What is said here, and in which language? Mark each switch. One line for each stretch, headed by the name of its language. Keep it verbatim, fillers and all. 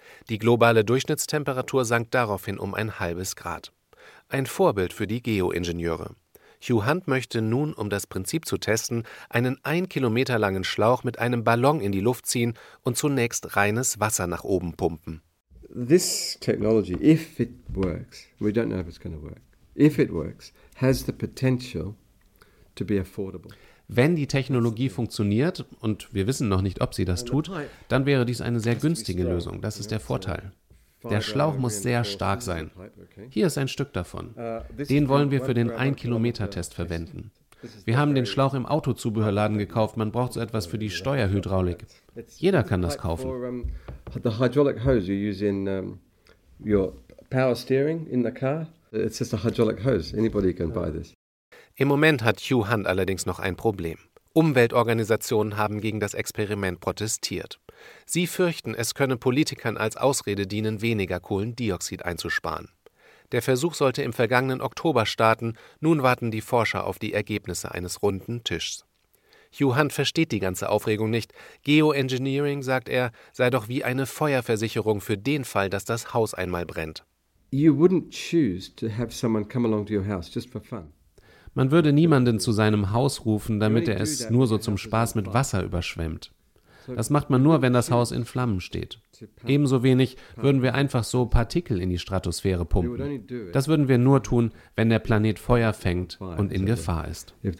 German: Die globale Durchschnittstemperatur sank daraufhin um ein halbes Grad. Ein Vorbild für die Geoingenieure. Hugh Hunt möchte nun, um das Prinzip zu testen, einen ein Kilometer langen Schlauch mit einem Ballon in die Luft ziehen und zunächst reines Wasser nach oben pumpen.
English: This technology, if it works, we don't know if it's going to work. If it works, has the potential to be affordable.
German: Wenn die Technologie funktioniert, und wir wissen noch nicht, ob sie das tut, dann wäre dies eine sehr günstige Lösung. Das ist der Vorteil. Der Schlauch muss sehr stark sein. Hier ist ein Stück davon. Den wollen wir für den ein-Kilometer-Test verwenden. Wir haben den Schlauch im Autozubehörladen gekauft. Man braucht so etwas für die Steuerhydraulik. Jeder kann das kaufen.
English: The hydraulic hose you use in your power steering in the car, it's just a hydraulic hose. Anybody can buy this.
German: Im Moment hat Hugh Hunt allerdings noch ein Problem. Umweltorganisationen haben gegen das Experiment protestiert. Sie fürchten, es könne Politikern als Ausrede dienen, weniger Kohlendioxid einzusparen. Der Versuch sollte im vergangenen Oktober starten, nun warten die Forscher auf die Ergebnisse eines runden Tischs. Hugh Hunt versteht die ganze Aufregung nicht. Geoengineering, sagt er, sei doch wie eine Feuerversicherung für den Fall, dass das Haus einmal brennt.
English: You wouldn't choose to have someone come along to your house just for fun.
German: Man würde niemanden zu seinem Haus rufen, damit er es nur so zum Spaß mit Wasser überschwemmt. Das macht man nur, wenn das Haus in Flammen steht. Ebenso wenig würden wir einfach so Partikel in die Stratosphäre pumpen. Das würden wir nur tun, wenn der Planet Feuer fängt und in Gefahr ist.